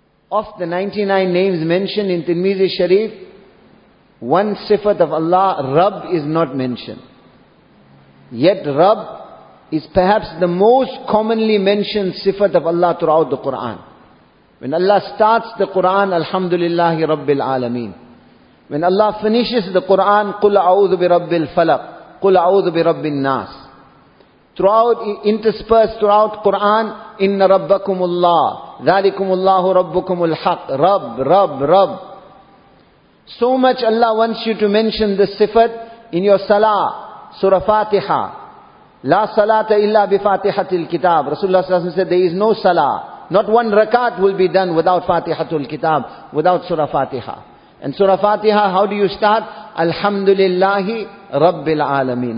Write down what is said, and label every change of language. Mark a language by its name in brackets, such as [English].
[English] Of the 99 names mentioned in Tirmizi Sharif, one sifat of Allah, Rabb, is not mentioned. Yet Rabb is perhaps the most commonly mentioned sifat of Allah throughout the Quran. When Allah starts the Quran, Alhamdulillahi Rabbil Alameen. When Allah finishes the Quran, [Arabic] قُلْ أَعُوذُ بِرَبِّ الْفَلَقِ قُلْ أَعُوذُ بِرَبِّ النَّاسِ [English] Throughout, interspersed throughout Quran, [Arabic] إِنَّ رَبَّكُمُ اللَّهِ ذَلِكُمُ اللَّهُ رَبُّكُمُ الْحَقِّ Rabb, Rabb, Rabb. [English] So much Allah wants you to mention this sifat in your salah, Surah Fatiha. La salata illa bi fatihatil kitab. Rasulullah SAW said there is no salah. Not one rakat will be done without fatihatul kitab, without Surah Fatiha. And Surah Fatiha, how do you start? Alhamdulillahi Rabbil Alameen.